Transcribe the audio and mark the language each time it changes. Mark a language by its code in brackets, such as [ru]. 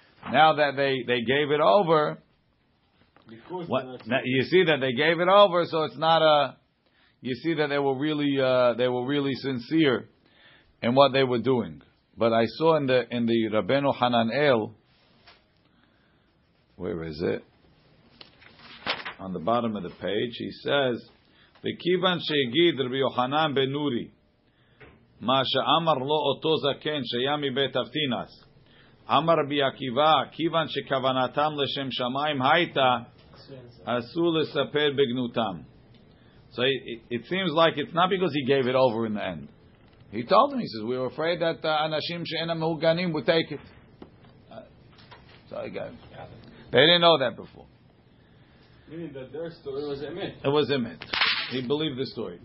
[en] Now that they gave it over, you see that they gave it over, so it's not a, you see that they were really sincere in what they were doing. But I saw in the Rabbeinu Hananel, where is it? On the bottom of the page, he says, [he] V'kivan she'egid Rabbi Yohanan ben Uri, מה שאמר לו אותו זקן שהיה מבית אבטינס אמר רבי עקיבא כיוון שכוונתם לשם שמיים הייתה אסו לספר בגנותם. [en] So it seems like it's not because he gave it over in the end. He told him, he says, we were afraid that [he] אנשים שאינם מהוגנים [en] would take it. They didn't know that before. Meaning that their story was emet. It was emet. He believed the story.